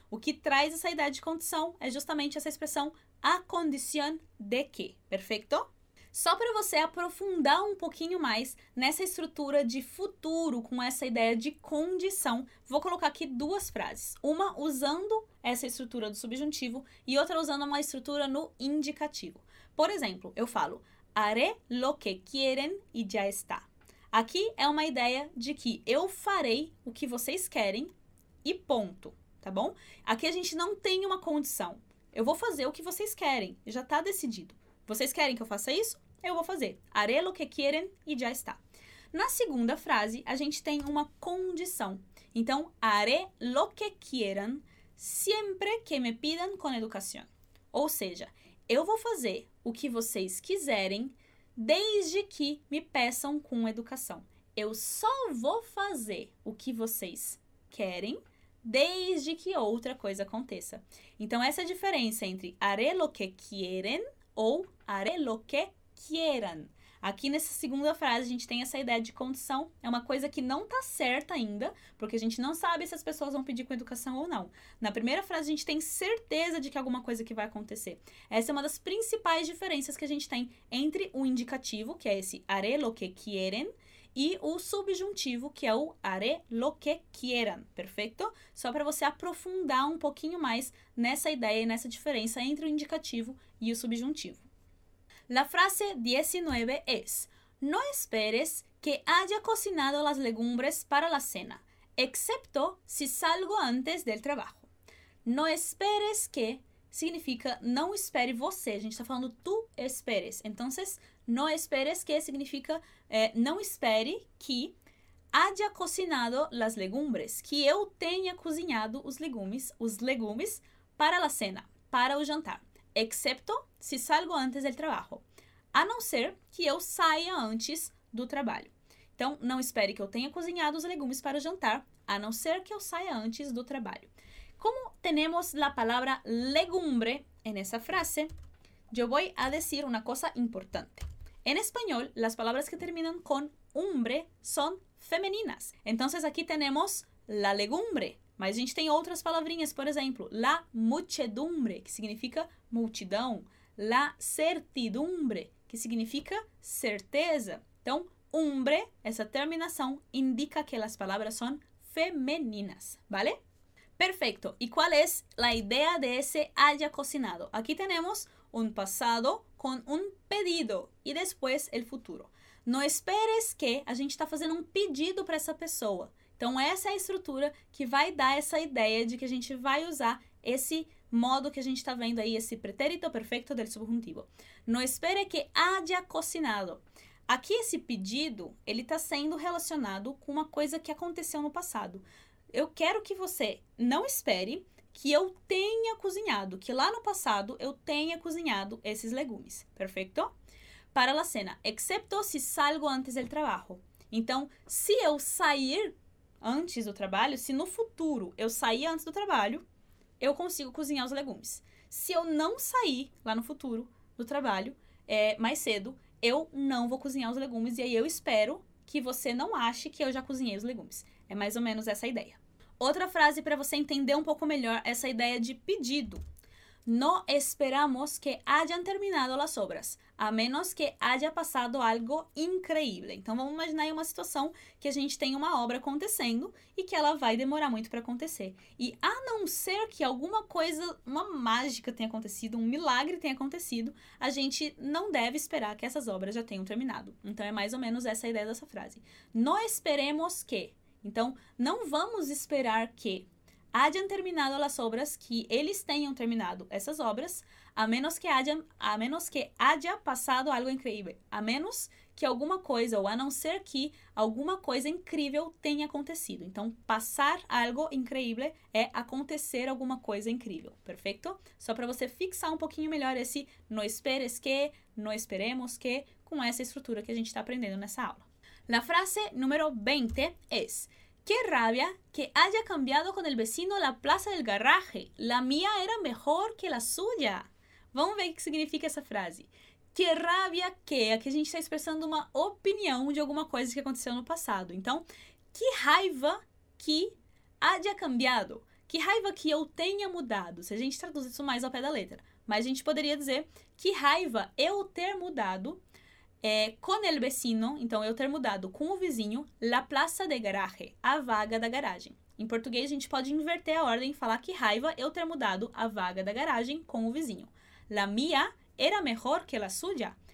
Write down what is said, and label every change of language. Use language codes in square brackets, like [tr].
[pt] O que traz essa ideia de condição é justamente essa expressão [es] a condición de que, [pt] perfeito? Só para você aprofundar um pouquinho mais nessa estrutura de futuro com essa ideia de condição, vou colocar aqui duas frases. Uma usando essa estrutura do subjuntivo e outra usando uma estrutura no indicativo. Por exemplo, eu falo: [es] haré lo que quieren y ya está. [pt] Aqui é uma ideia de que eu farei o que vocês querem e ponto, tá bom? Aqui a gente não tem uma condição. Eu vou fazer o que vocês querem, já está decidido. Vocês querem que eu faça isso? Eu vou fazer. [es] Haré lo que quieren [pt] e já está. Na segunda frase, a gente tem uma condição. Então, [es] haré lo que quieran siempre que me pidan con educación. [pt] Ou seja, eu vou fazer o que vocês quiserem desde que me peçam com educação. Eu só vou fazer o que vocês querem desde que outra coisa aconteça. Então, essa é a diferença entre [es] haré lo que quieren ou haré lo que quieran. [pt] Aqui nessa segunda frase, a gente tem essa ideia de condição. É uma coisa que não está certa ainda, porque a gente não sabe se as pessoas vão pedir com educação ou não. Na primeira frase, a gente tem certeza de que alguma coisa que vai acontecer. Essa é uma das principais diferenças que a gente tem entre o indicativo, que é esse [es] haré lo que quieren, [pt] e o subjuntivo, que é o [es] haré lo que quieran. [pt] Perfeito? Só para você aprofundar um pouquinho mais nessa ideia, nessa diferença entre o indicativo e o subjuntivo. [es] La frase 19 es: no esperes que haya cocinado las legumbres para la cena, excepto si salgo antes del trabajo. No esperes que [pt] significa não espere você. A gente está falando [es] tu esperes. [pt] Então, [es] no esperes que [pt] significa não espere que [es] haya cocinado las legumbres, [pt] que eu tenha cozinhado os legumes [es] para la cena, [pt] para o jantar. [es] Excepto se salgo antes del trabajo. [pt] A não ser que eu saia antes do trabalho. Então, não espere que eu tenha cozinhado os legumes para o jantar, a não ser que eu saia antes do trabalho. Como temos a palavra legumbre em essa frase, eu vou a dizer uma coisa importante. Em espanhol, as palavras que terminam com umbre são femininas. Então, aqui temos la legumbre. Mas a gente tem outras palavrinhas, por exemplo, la muchedumbre, que significa multidão. La certidumbre, que significa certeza. Então, umbre, essa terminação, indica que as palavras são femininas, vale? Perfeito. E qual é a ideia de esse haya cocinado? Aqui temos um passado com um pedido e depois o futuro. [es] No esperes que [pt] a gente está fazendo um pedido para essa pessoa. Então, essa é a estrutura que vai dar essa ideia de que a gente vai usar esse modo que a gente está vendo aí, esse pretérito perfeito del subjuntivo. [es] No espere que haya cocinado. [pt] Aqui, esse pedido, ele está sendo relacionado com uma coisa que aconteceu no passado. Eu quero que você não espere que eu tenha cozinhado, que lá no passado eu tenha cozinhado esses legumes. Perfeito? [es] Para la cena. Excepto si salgo antes del trabajo. [pt] Então, se eu sair antes do trabalho, se no futuro eu sair antes do trabalho, eu consigo cozinhar os legumes. Se eu não sair lá no futuro do trabalho, mais cedo, eu não vou cozinhar os legumes e aí eu espero que você não ache que eu já cozinhei os legumes. É mais ou menos essa ideia. Outra frase para você entender um pouco melhor essa ideia de pedido. [es] No esperamos que hayan terminado las obras, a menos que haya pasado algo increíble. [pt] Então, vamos imaginar aí uma situação que a gente tem uma obra acontecendo e que ela vai demorar muito para acontecer. E a não ser que alguma coisa, uma mágica tenha acontecido, um milagre tenha acontecido, a gente não deve esperar que essas obras já tenham terminado. Então, é mais ou menos essa a ideia dessa frase. [es] No esperemos que. [pt] Então, não vamos esperar que [es] hayan terminado las obras, [pt] que eles tenham terminado essas obras, [es] a menos que haya passado algo incrível, [pt] a menos que alguma coisa, ou a não ser que alguma coisa incrível tenha acontecido. Então, passar algo incrível é acontecer alguma coisa incrível, perfeito? Só para você fixar um pouquinho melhor esse [es] no esperes que, no esperemos que, [pt] com essa estrutura que a gente está aprendendo nessa aula. [es] La frase número 20 es: qué rabia que haya cambiado con el vecino la plaza del garaje. La mía era mejor que la suya. [pt] Vamos ver o que significa essa frase. [es] Que rabia que. [pt] Aqui a gente está expressando uma opinião de alguma coisa que aconteceu no passado. Então, que raiva que [es] haya cambiado. [pt] Que raiva que eu tenha mudado. Se a gente traduz isso mais ao pé da letra. Mas a gente poderia dizer que raiva eu ter mudado [es] con el vecino, [pt] então eu ter mudado com o vizinho, [es] la plaza de garaje, [pt] a vaga da garagem. Em português, a gente pode inverter a ordem e falar que raiva eu ter mudado a vaga da garagem com o vizinho. [es] La mía era mejor que la suya.